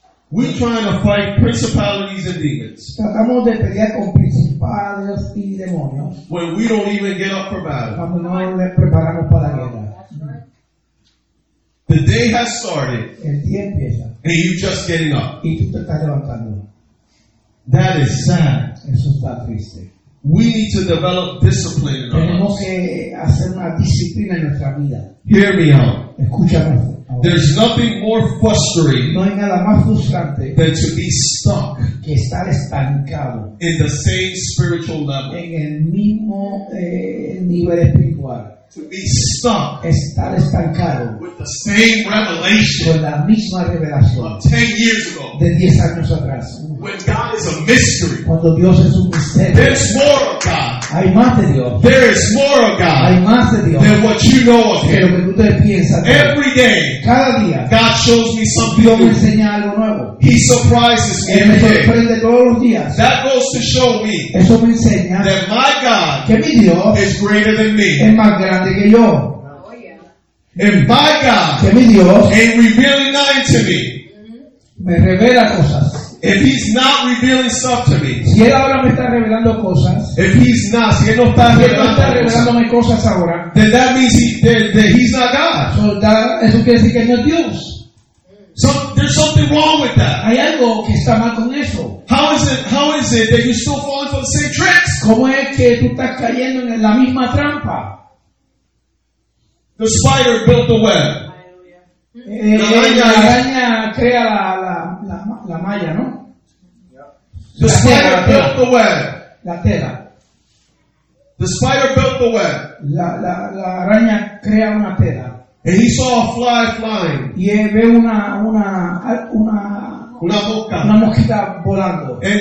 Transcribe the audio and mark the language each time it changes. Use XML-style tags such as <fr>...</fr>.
<en>We trying to fight principalities and demons.</en> <es>Tratamos de pelear con principales y demonios.</es> <en>When we don't even get up for battle.</en> <es>Cuando no nos preparamos para la guerra.</es> <en>The day has started.</en> <es>El día empieza.</es> <en>And you just getting up.</en> <es>Y tú te estás levantando.</es> <en>That is sad.</en> <es>Eso está triste.</es> <en>We need to develop discipline in our lives.</en> <es>Tenemos que hacer una disciplina en nuestra vida.</es> <en>Hear me out.</en> <es>Escúchame.</es> <en>There's nothing more frustrating.</en> <es>No hay nada más frustrante</es> <en>than to be stuck.</en> <es>Que estar estancado.</es> <en>In the same spiritual level.</en> <es>En el mismo nivel espiritual.</es> <en>To be stuck.</en> <es>Estar estancado.</es> <en>With the same revelation.</en> <es>Con la misma revelación.</es> <en>Of 10 years ago.</en> <es>De 10 años atrás.</es> <en>When God is a mystery.</en> <es>Cuando Dios es un misterio.</es> <en>There's more of God.</en> <es>Hay más de Dios.</es> <en>There is more of God.</en> <es>Hay más de Dios.</es> <en>Than what you know of Him.</en> <es>De lo que tú te piensas.</es> <en>Every day.</en> <es>Cada día.</es> <en>God shows me something new.</en> <es>Dios me enseña algo nuevo.</es> <en>He surprises me.</en> <es>Él me sorprende todos los días.</es> <en>That goes to show me.</en> <es>Eso me enseña.</es> <en>That my God.</en> <es>Que mi Dios.</es> <en>Is greater than me.</en> <es>Es más grande que yo.</es> <en>And by God.</en> <es>Que mi Dios.</es> <en>Ain't revealing nothing to me.</en> <es>Me revela cosas.</es> <en>If he's not revealing stuff to me.</en> <es>Si él ahora me está revelando cosas.</es> <en>If he's not,</en> <es>si él no está, si él no está revelándome cosas ahora.</es> <en>Then that means that he's not God. So that,</en> <es>eso quiere decir que no es Dios.</es> <en>So there's something wrong with that.</en> <es>Hay algo que está mal con eso.</es> <en>How is it that you're still falling for the same tricks?</en> <es>¿Cómo es que tú estás cayendo en la misma trampa?</es> <en>The spider built the web.</en> <es>La araña crea la malla, ¿no?</es> <en>The spider built the web.</en> <es>La tela.</es> <en>The spider built the web.</en> <es>La araña crea una tela.</es> <en>And he saw a fly flying.</en> <es>Y él ve una mosca. Una mosquita volando.</es>